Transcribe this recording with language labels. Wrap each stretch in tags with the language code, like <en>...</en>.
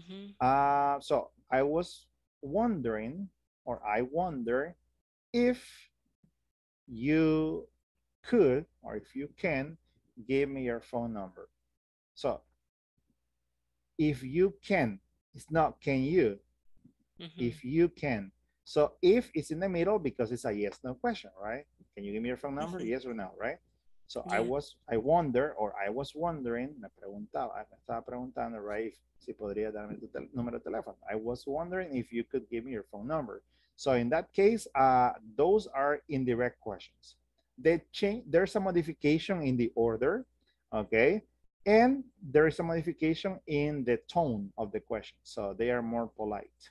<en>Mm-hmm. So I was wondering, or I wonder if you could, or if you can give me your phone number. So if you can, it's not can you, mm-hmm. if you can. So if it's in the middle, because it's a yes, no question, right? Can you give me your phone number? Yes or no, right? So yeah. I was wondering,</en> <es>me preguntaba, me estaba preguntando, right, si podría darme tu número de teléfono.</es> <en>I was wondering if you could give me your phone number. So in that case, those are indirect questions. There's a modification in the order, okay? And there is a modification in the tone of the question. So they are more polite.</en>